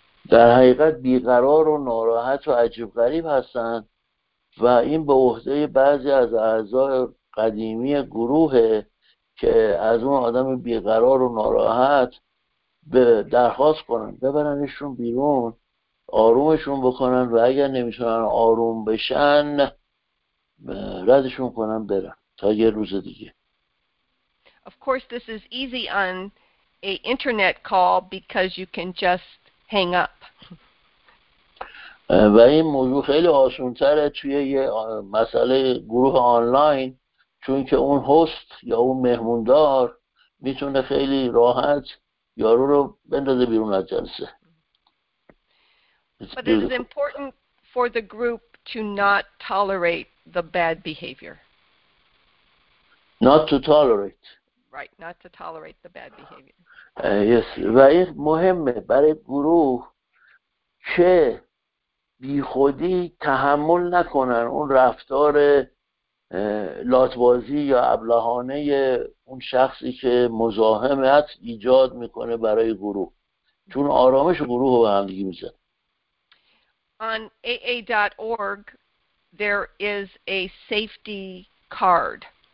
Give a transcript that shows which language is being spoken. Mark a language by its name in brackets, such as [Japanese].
[Persian] در حقیقت بیقرار و ناراحت و عجیب غریب هستن و این به عهده بعضی از اعضای قدیمی گروهه که از اون آدم بیقرار و ناراحت به درخواست کنن ببرنشون بیرون آرومشون بکنن و اگر نمیتونن آروم بشن ردشون کنن برن تا یه روز دیگه. [English] Of course this is easy on a internet call because you can just hang up. [Persian] و این موضوع خیلی آسان‌تره توی یه مسئله گروه آنلاین چون که اون هست یا اون مهموندار میتونه خیلی راحت یارو رو بندازه بیرون از جلسه. [English] But it is important for the group to not tolerate the bad behavior. Not to tolerate. Right, not to tolerate the bad behavior. Yes, [Persian] و این مهمه برای گروه که بی خودی تحمل نکنن اون رفتار لاتبازی یا ابلهانه اون شخصی که مزاحمت ایجاد میکنه برای گروه، چون آرامش گروه رو به هم دیگه میزنه. [English] On AA.org, there is a safety card.